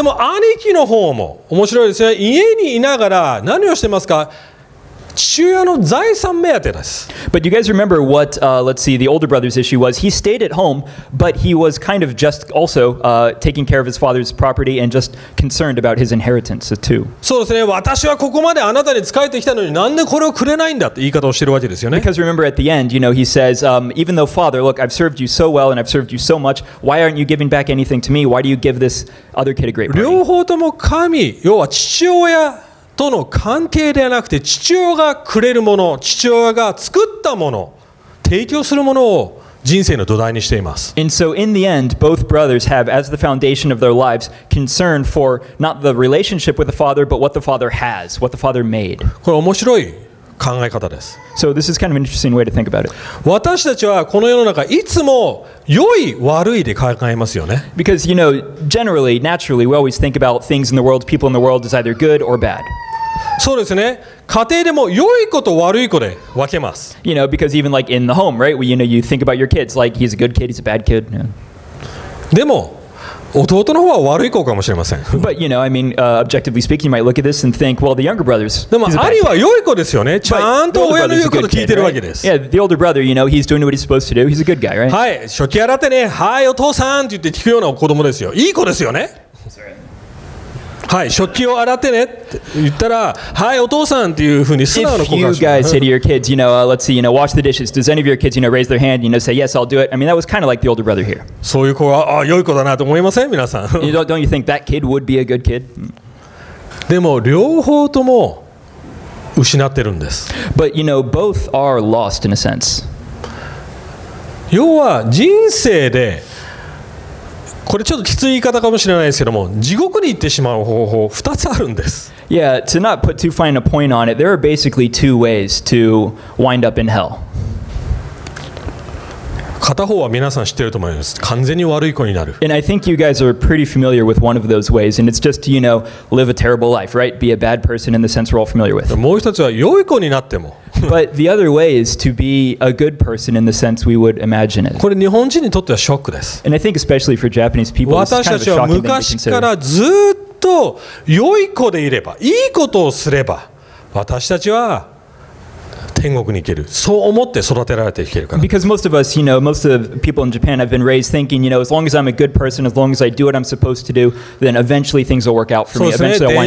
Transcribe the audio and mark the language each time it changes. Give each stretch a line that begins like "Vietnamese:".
Japanese: でも兄貴の方も面白いですね。家にいながら何をしてますか？父親の財産目当てです。
English: But you guys remember what, let's see, the older brother's issue was. He stayed at home, but he was kind of just also taking care of his father's property and just concerned about his inheritance too.
Japanese: そうですね。私はここまであなたに仕えてきたのに、なんでこれをくれないんだって言い方をしてるわけですよね。
English: Because remember at the end, you know, he says, even though father, look, I've served you so well and I've served you so much, why aren't you giving back anything to me? Why do you give this other kid a great party?
Japanese: 両方とも神、要は父親。との関係ではなくて父親がくれるもの、父親が作ったもの、提供するものを人生の土台にしています。
English: And so in the end, both brothers have as the foundation of their lives concern for not the relationship with the father, but what the father has, what the father made.
Japanese: これ面白い考え方です。
English: So this is kind of an interesting way to think about it.
Japanese: 私たちはこの世の中いつも良い悪いで考えますよね。
English: Because you know, generally, naturally, we always think about things in the world, people in the world, is either good or bad.
Japanese: そうですね。家庭でも良い子と悪い子で分けます。
English: You know, because even like in the home, right? Well, you know, you think about your kids, like he's a good kid, he's a bad kid. Yeah.
Japanese: でも弟の方は悪い子かもしれません。
English: But you know, I mean, objectively speaking, you might look at this and think, well, the younger brothers.
Japanese: でも兄は良い子ですよね。ちゃんと親の言うこと聞いてるわけです。
English: Yeah, the older brother, you know, he's doing what he's supposed to do. He's a good guy, right?
Japanese: はい、食器洗ってね。はい、お父さんって言って聞くような子供ですよ。いい子ですよね。はい、食器を洗ってねって言ったら、はい、お父さんっていうふうに素直な子がします。
English: If you guys say to your kids, you know, let's see, you know, wash the dishes. Does any of your kids, you know, raise their hand, you know, say, yes, I'll do it? I mean, that was kind of like the older brother here.
Japanese: そういう子は、あ、良い子だなと思いません、皆さん。
English: Don't you think that kid would be a good kid?
Japanese: でも両方とも失ってるんです。
English: But you know, both are lost in a sense.
Japanese: 要は人生で。これちょっときつい言い方かもしれないですけども、地獄に行ってしまう方法2つあるんです。
English: Yeah, to not put too fine a point on it, there are basically two ways to wind up in hell.
Japanese: 片方は皆さん知ってると思います。完全に悪い子になる。
English: And I think you guys are pretty familiar with one of those ways, and it's just, you know, live a terrible life, right? Be a bad person in the sense we're all familiar with.
Japanese: もう一つは良い子になっても。
English: But the other way is to be a good person in the sense we would imagine it.
Japanese: これ日本人にとってはショックです。
English: And I think especially for Japanese people, it's kind of a shocking thing to consider.
Japanese: 私たちは昔からずっと良い子でいれば、いいことをすれば、私たちは天国に行ける。そう思って育てられていけるから。
English: Because most of us, you know, most of people in Japan have been raised thinking, you know, as long as I'm a good person, as long as I do what I'm supposed to do, then eventually things will work out for me. Eventually I'll wind up in heaven.